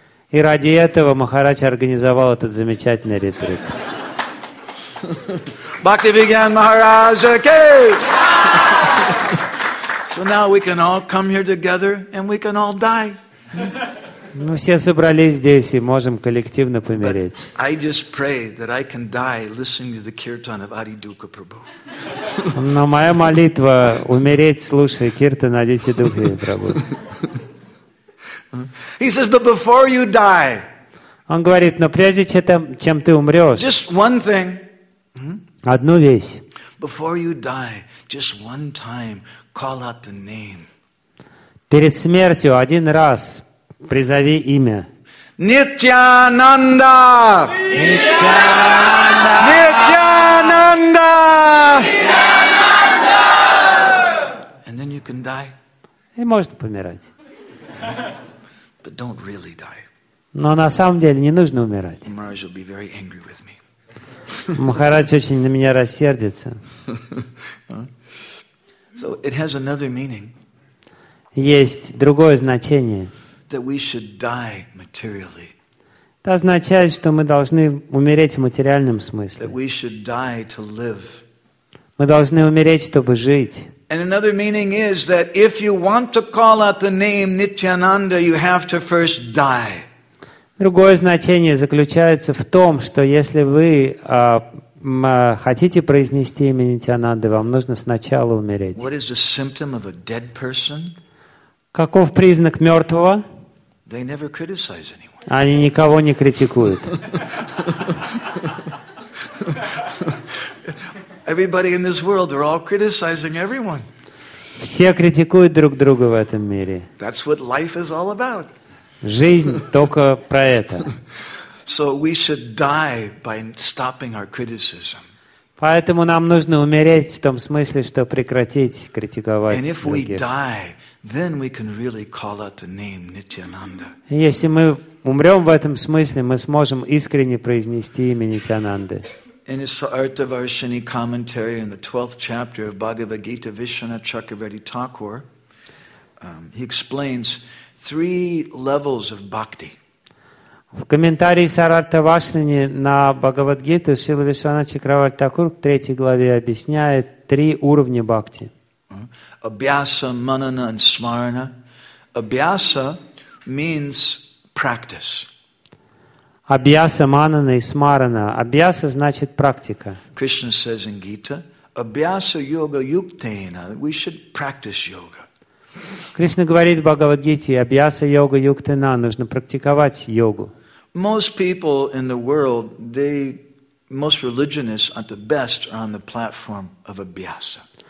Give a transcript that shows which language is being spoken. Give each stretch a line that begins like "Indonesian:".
Russian: И ради этого Махарадж организовал этот замечательный ретрит.
English: Bhakti Vigyan Maharaj Ki. So now we can all come here together and we can all die.
Russian: Мы все собрались здесь и можем коллективно помереть.
English: I just pray that I can die listening to the kirtan of Adidukha Prabhu.
Russian: Но моя молитва умереть, слушая киртан Адидукхи Прабху.
English: He says, but before you die.
Russian: Он говорит, но прежде чем ты умрешь.
English: Just one thing.
Russian: Одну вещь.
English: Before you die, just one time, call out the name.
Russian: Перед смертью один раз призови имя. Нитьянанда. Нитьянанда. Нитьянанда. Нитьянанда.
English: And then you can die.
Russian: И можно помирать.
English: But don't really die.
Russian: Но на самом деле не нужно умирать.
English: Maharaj will be very angry with me.
Russian: Махарадж очень на меня рассердится.
English: So it has another meaning.
Russian: Есть другое значение.
English: That we should die materially.
Russian: Это означает, что мы должны умереть в материальном смысле.
English: That we should die to live.
Russian: Мы должны умереть, чтобы жить.
English: And another meaning is that if you want to call out the name Nityananda, you have to first die.
Russian: Другое значение заключается в том, что если вы хотите произнести имя Нитянанды, вам нужно сначала умереть.
English: What is the symptom of a dead person?
Russian: Каков признак мертвого?
English: They never criticize anyone.
Russian: Они никого не критикуют.
English: Everybody in this world, they're all criticizing everyone.
Russian: Все критикуют друг друга в этом мире.
English: That's what life is all about.
Russian: Жизнь только про это.
English: So we should die by stopping our criticism.
Russian: Поэтому нам нужно умереть в том смысле, что прекратить критиковать других.
English: And if we die, then we can really call out the name Nityananda.
Russian: Если мы умрем в этом смысле, мы сможем искренне произнести имя Нитянанды.
English: In his Artavarshini commentary in the 12th chapter of Bhagavad Gita, Vishwana Chakravarti Thakur, he explains three levels of bhakti.
Russian: В комментарии Сарартха Вашрини на Бхагавад-гиту Шрила Вишванатха Чакраварти Такур в третьей главе объясняет три уровня бхакти. Абьяса, манана и смарана. Абьяса
English: means practice.
Russian: Абьяса, манана и смарана. Абьяса значит практика.
English: Krishna says in Gita,
Sanskrit: Абьяса йога юктена.
English: We should practice yoga.
Russian: Кришна говорит в Бхагавад-гите, абьяса йога юктена, нужно практиковать йогу.
English: Most people in the world, most religionists at the best are on the platform of abhyasa.